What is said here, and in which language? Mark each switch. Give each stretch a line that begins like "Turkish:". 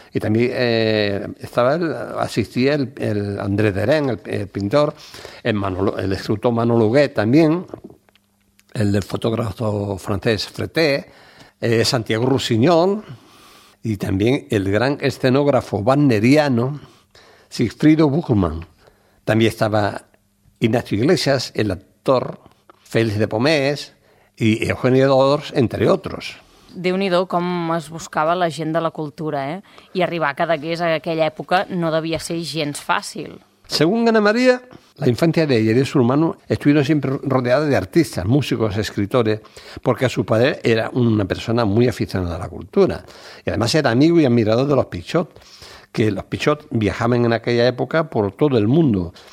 Spanish: Y también asistía el André Derain, el pintor, el escritor Manuel Huguet también, el fotógrafo francés Freté, Santiago Rusiñol, y también el gran escenógrafo wagneriano Sigfrido Buchmann. También estaba Ignacio Iglesias, el actor Félix de Pomés, y Eugenio Dors, entre otros.
Catalan: Déu-n'hi-do com es buscava la gent de la cultura, eh? I arribar a Cadaqués a aquella època no devia ser gens fàcil.
Spanish: Según Ana María, la infancia de ella y de su hermano estuvieron siempre rodeadas de artistas, músicos, escritores, porque su padre era una persona muy aficionada a la cultura. Y además era amigo y admirador de los Pichot, que los Pichot viajaban en aquella época por todo el mundo.